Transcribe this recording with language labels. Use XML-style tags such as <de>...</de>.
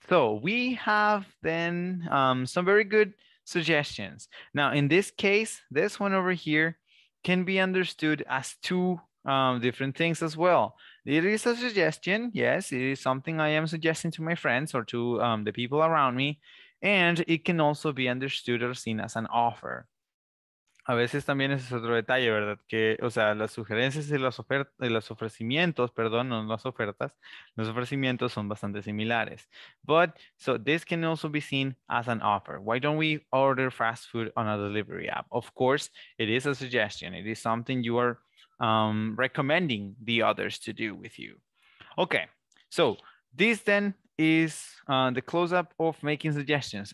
<en>So we have then some very good suggestions. Now, in this case, this one over here can be understood as two different things as well. It is a suggestion. Yes, it is something I am suggesting to my friends or to the people around me. And it can also be understood or seen as an offer.</en> <es>A veces también ese es otro detalle, ¿verdad? Que, o sea, las sugerencias y los ofrecimientos, perdón, no las ofertas, los ofrecimientos son bastante similares.</es> <en>But, so this can also be seen as an offer. Why don't we order fast food on a delivery app? Of course, it is a suggestion. It is something you are recommending the others to do with you. Okay, so this then is the close-up of making suggestions.</en>